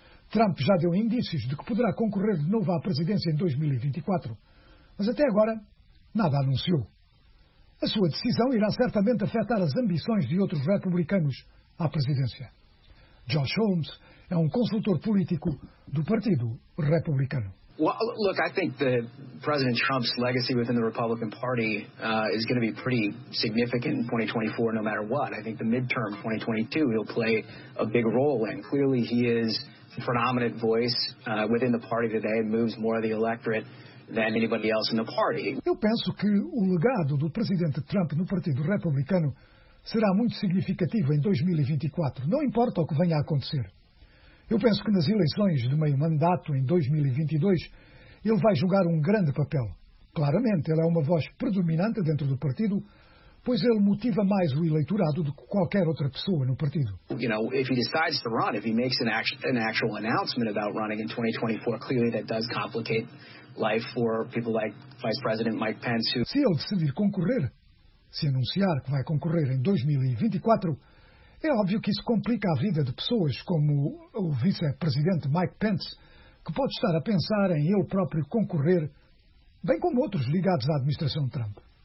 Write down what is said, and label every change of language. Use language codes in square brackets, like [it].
[pt] Trump já deu indícios de que poderá concorrer de novo à presidência em 2024, mas até agora nada anunciou. A sua decisão irá certamente afetar as ambições de outros republicanos à presidência. Josh Holmes é um consultor político do Partido Republicano. [en] Look, I think that President Trump's legacy within the Republican Party is going to be pretty significant in 2024, no matter what. I think the midterm 2022, he'll play a big role in. Clearly, he is the predominant voice within the party today, moves more of the electorate than anybody else in the party. [pt] Eu penso que o legado do presidente Trump no Partido Republicano será muito significativo em 2024, não importa o que venha a acontecer. Eu penso que nas eleições de meio mandato, em 2022, ele vai jogar um grande papel. Claramente, ele é uma voz predominante dentro do partido, pois ele motiva mais o eleitorado do que qualquer outra pessoa no partido. [en] You know, if he decides to run, if he makes an actual announcement about running in 2024, clearly that does complicate life for people like Vice President Mike Pence. Who... [pt] Se ele decidir concorrer, se anunciar que vai concorrer em 2024, é óbvio que isso complica a vida de pessoas como o vice-presidente Mike Pence, que pode estar a pensar em ele próprio concorrer, bem como outros ligados à administração de Trump.